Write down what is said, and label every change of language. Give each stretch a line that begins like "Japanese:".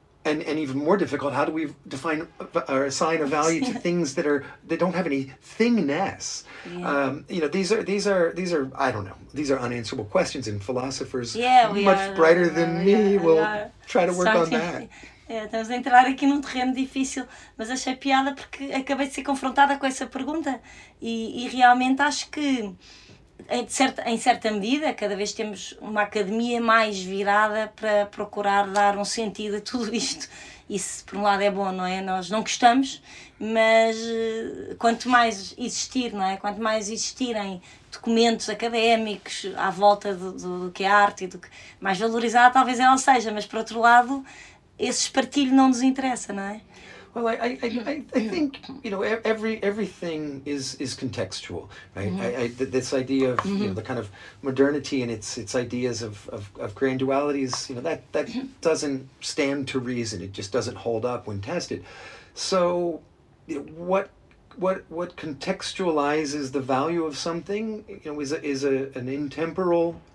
English: And even more difficult, how do we define or assign a value to things that don't have any thingness? Yeah. You know, these are I don't know, these are unanswerable questions, and philosophers try to work on that.
Portuguese: Estamos a entrar aqui num terreno difícil, mas achei piada porque acabei de ser confrontada com essa pergunta e realmente acho que, em certa medida, cada vez temos uma academia mais virada para procurar dar um sentido a tudo isto. Isso, por um lado, é bom, não é? Nós não gostamos, mas quanto mais existir, não é? Quanto mais existirem documentos académicos à volta do que é arte, do que mais valorizada talvez ela seja, mas, por outro lado, esses partilhos não nos interessa, não é?
English: Well, I think, you know, everything is contextual, right? This idea of, you know, the kind of modernity and its ideas of grandualities, you know, that doesn't stand to reason. It just doesn't hold up when tested. So, you know, what contextualizes the value of something, you know, is an intemporal